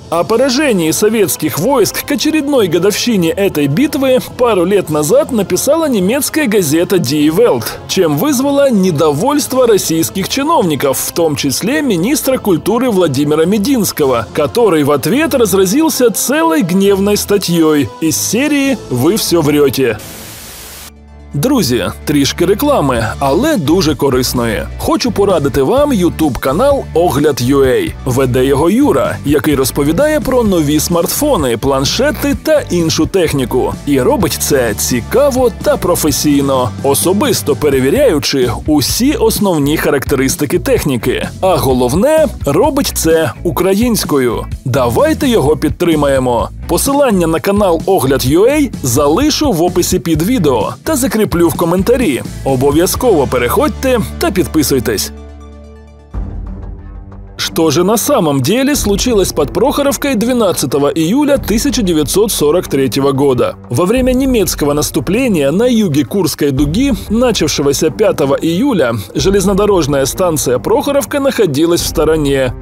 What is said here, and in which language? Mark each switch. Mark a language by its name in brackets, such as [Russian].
[Russian] О поражении советских войск к очередной годовщине этой битвы пару лет назад написала немецкая газета Die Welt, чем вызвала недовольство российских чиновников, в том числе министра культуры Владимира Мединского, который в ответ разразился целой гневной статьей из серии «Вы все врете». [Ukrainian] Друзі, трішки реклами, але дуже корисної. Хочу порадити вам YouTube-канал Огляд.ua. Веде його Юра, який розповідає про нові смартфони, планшети та іншу техніку. І робить це цікаво та професійно, особисто перевіряючи усі основні характеристики техніки. А головне, робить це українською. Давайте його підтримаємо. Посилання на канал Огляд.ua залишу в описі під відео та закріплю в коментарі. Обов'язково переходьте та підписуйтесь. [Russian] Что же на самом деле случилось под Прохоровкой 12 июля 1943 года? Во время немецкого наступления на юге Курской дуги, начавшегося 5 июля, железнодорожная станция Прохоровка находилась в стороне.